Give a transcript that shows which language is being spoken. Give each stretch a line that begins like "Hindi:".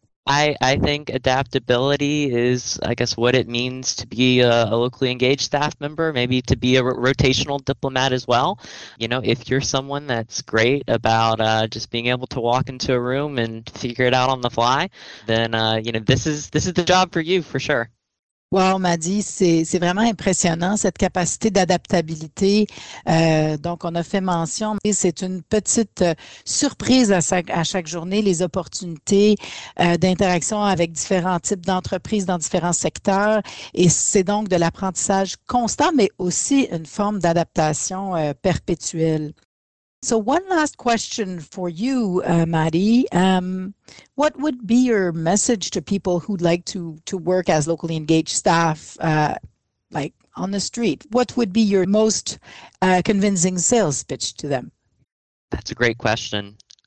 English: I think adaptability is, I guess, what it means to be a locally engaged staff member, maybe to be a rotational diplomat as well. You know, if you're someone that's great about just being able to walk into a room and figure it out on the fly, then, you know, this is the job for you for sure.
French: Wow, Maddy, c'est vraiment impressionnant, cette capacité d'adaptabilité. Donc, on a fait mention, mais c'est une petite surprise à chaque journée, les opportunités d'interaction avec différents types d'entreprises dans différents secteurs. Et c'est donc de l'apprentissage constant, mais aussi une forme d'adaptation perpétuelle.
English: So one last question for you, Maddie. What would be your message to people who'd like to work as locally engaged staff, like on the street? What would be your most convincing sales pitch to them? That's a great question.